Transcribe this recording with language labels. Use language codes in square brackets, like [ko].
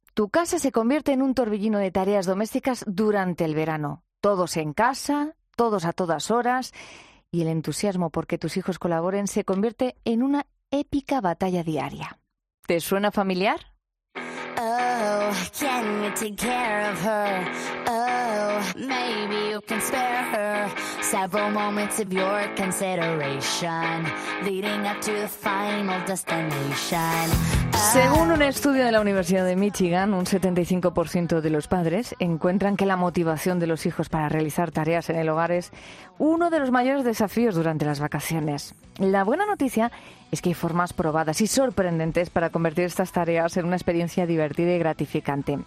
[es] Tu casa se convierte en un torbellino de tareas domésticas durante el verano. Todos en casa, todos a todas horas, y el entusiasmo porque tus hijos colaboren se convierte en una épica batalla diaria. ¿Te suena familiar? [en] Oh, can you take care of her? Oh, maybe you can spare her several moments of your consideration leading up to the final destination. [es] Según un estudio de la Universidad de Michigan, un 75% de los padres encuentran que la motivación de los hijos para realizar tareas en el hogar es uno de los mayores desafíos durante las vacaciones. La buena noticia es que hay formas probadas y sorprendentes para convertir estas tareas en una experiencia divertida y gratificante.